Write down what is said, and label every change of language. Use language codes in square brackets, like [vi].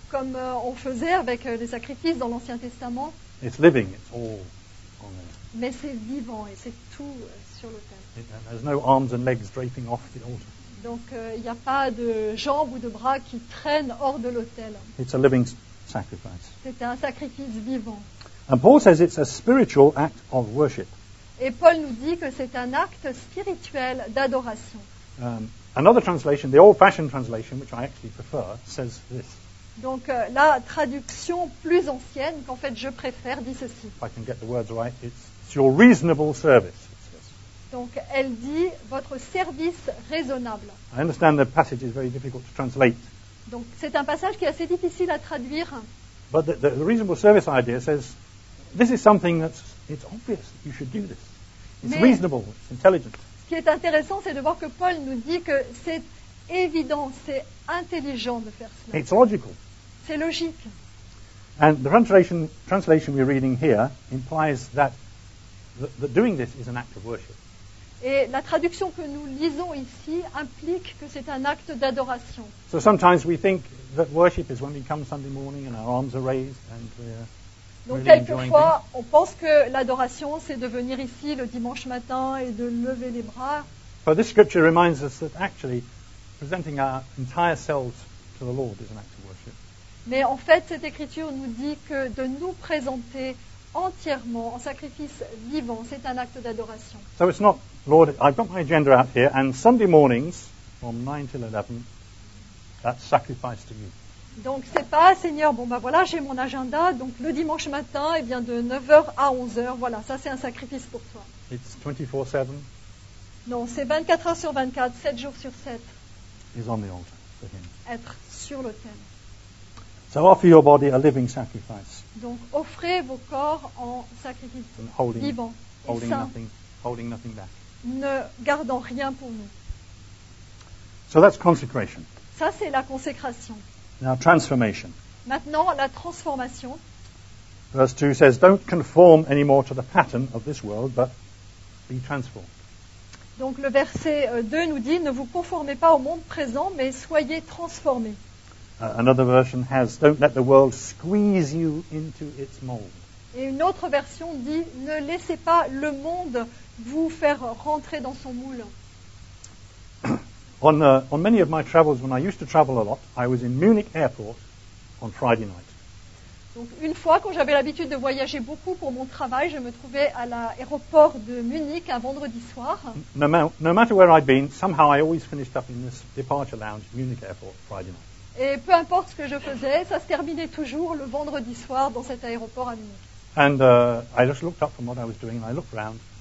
[fr] Comme on faisait avec les sacrifices dans l'Ancien Testament. [en] It's living. It's all on there. [fr] Mais c'est vivant et c'est tout sur l'autel. [en] There's no arms and legs draping off the altar. [fr] Donc il n'y a pas de jambes ou de bras qui traînent hors de l'autel. [en] It's a living sacrifice. [fr] C'est un sacrifice vivant. [en] And Paul says it's a spiritual act of worship. [fr] Et Paul nous dit que c'est un acte spirituel d'adoration. [en] Another translation, the old-fashioned translation, which I actually prefer, says this. [fr] Donc la traduction plus ancienne qu'en fait je préfère dit ceci. [en] If I can get the words right, it's your reasonable service. [fr] Donc, elle dit votre service raisonnable. [en] I understand the passage is very difficult to translate. [fr] Donc, c'est un passage qui est assez difficile à traduire. [en] But the reasonable service idea says, this is something it's obvious that you should do this. It's [fr] Mais [en] reasonable, it's intelligent. [fr] Ce qui est intéressant, c'est de voir que Paul nous dit que c'est évident, c'est intelligent de faire cela. [en] It's logical. [fr] C'est logique. [en] And the translation we're reading here implies that doing this is an act of worship. [fr] Et la traduction que nous lisons ici implique que c'est un acte d'adoration. [en] So sometimes we think that worship is when we come Sunday morning and our arms are raised and we're [fr] Donc [en] really [fr] quelquefois, [en] enjoying [fr] on pense que l'adoration c'est de venir ici le dimanche matin et de lever les bras. [en] But this scripture reminds us that actually presenting our entire selves to the Lord is an act of worship. [fr] Mais en fait, cette écriture nous dit que de nous présenter entièrement en sacrifice vivant, c'est un acte d'adoration. [en] So it's not Lord, I've got my agenda out here, and Sunday mornings from 9 till 11, that's sacrifice to you. [fr] Donc, c'est pas, Seigneur, bon, ben voilà, j'ai mon agenda, donc le dimanche matin, eh bien, de 9h à 11h, voilà, ça c'est un sacrifice pour toi. [en] It's 24/7. [fr] Non, c'est 24 heures sur 24, 7 jours sur 7. [en] He's on the altar for him. [fr] Être sur l'autel. [en] So offer your body a living sacrifice. [fr] Donc, offrez vos corps en sacrifice vivant. [en] Holding nothing. Holding nothing back. [fr] Ne gardant rien pour nous. [en] So that's consecration. [fr] Ça, c'est la consécration. [en] Now, transformation. [fr] Maintenant, la transformation. [en] Verse 2 says, don't conform anymore to the pattern of this world, but be transformed. [fr] Donc, le verset 2 nous dit, ne vous conformez pas au monde présent, mais soyez transformés. [en] Another version has, don't let the world squeeze you into its mold. [fr] Et une autre version dit, ne laissez pas le monde vous faire rentrer dans son moule. [en] On many of my travels, when I used to travel a lot, I was in Munich Airport on Friday night. [fr] Donc une fois, quand j'avais l'habitude de voyager beaucoup pour mon travail, je me trouvais à l'aéroport de Munich un vendredi soir. [en] No matter where I'd been, somehow I always finished up in this departure lounge, Munich Airport, Friday night. [fr] Et peu importe ce que je faisais, ça se terminait toujours le vendredi soir dans cet aéroport à Munich. [en] And I just looked up from what I was doing and I looked around.